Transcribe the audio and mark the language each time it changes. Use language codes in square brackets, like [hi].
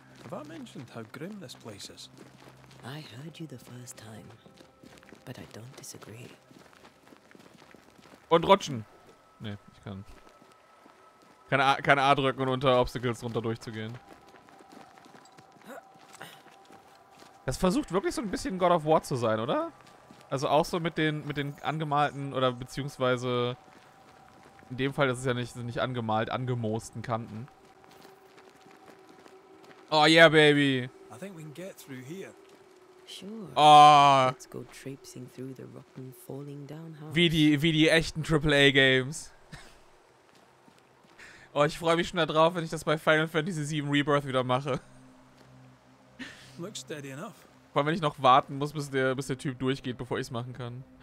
[en] Have I mentioned how grim this place is? I heard you the first time, but I don't disagree. [de] Und rutschen. Nee, ich kann. Keine A drücken und unter Obstacles runter durchzugehen. Das versucht wirklich so ein bisschen God of War zu sein, oder? Also auch so mit den angemalten oder beziehungsweise in dem Fall, das ist ja nicht angemalt, angemoosten Kanten. [en] Oh yeah, baby. I think we can get through here. Sure. Oh. Let's go traipsing through the rotten, falling down house. [de] Wie die echten AAA-Games. Oh, ich freue mich schon darauf, wenn ich das bei Final Fantasy VII Rebirth wieder mache. [en] Looks steady enough. [de] Vor allem, wenn ich noch warten muss, bis der Typ durchgeht, bevor ich es machen kann.